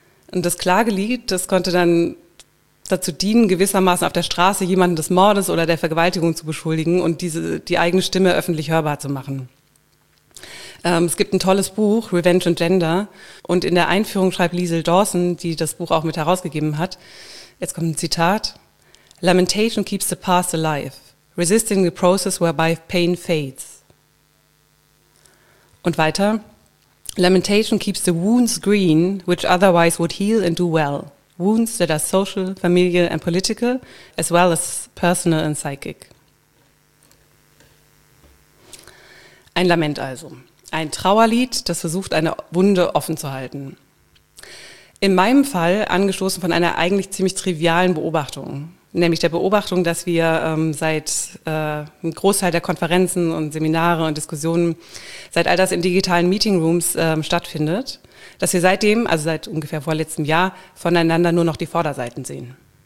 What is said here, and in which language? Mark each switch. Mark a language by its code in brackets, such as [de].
[de] Und das Klagelied, das konnte dann dazu dienen, gewissermaßen auf der Straße jemanden des Mordes oder der Vergewaltigung zu beschuldigen und die eigene Stimme öffentlich hörbar zu machen. Es gibt ein tolles Buch, Revenge and Gender, und in der Einführung schreibt Liesel Dawson, die das Buch auch mit herausgegeben hat, jetzt kommt ein Zitat, [en] "Lamentation keeps the past alive, resisting the process whereby pain fades." [de] Und weiter, [en] "Lamentation keeps the wounds green, which otherwise would heal and do well, wounds that are social, familial and political, as well as personal and psychic." [de] Ein Lament also. Ein Trauerlied, das versucht, eine Wunde offen zu halten. In meinem Fall angestoßen von einer eigentlich ziemlich trivialen Beobachtung, nämlich der Beobachtung, dass wir ein Großteil der Konferenzen und Seminare und Diskussionen, seit all das in digitalen Meetingrooms stattfindet, dass wir seitdem, also seit ungefähr vorletztem Jahr, voneinander nur noch die Vorderseiten sehen.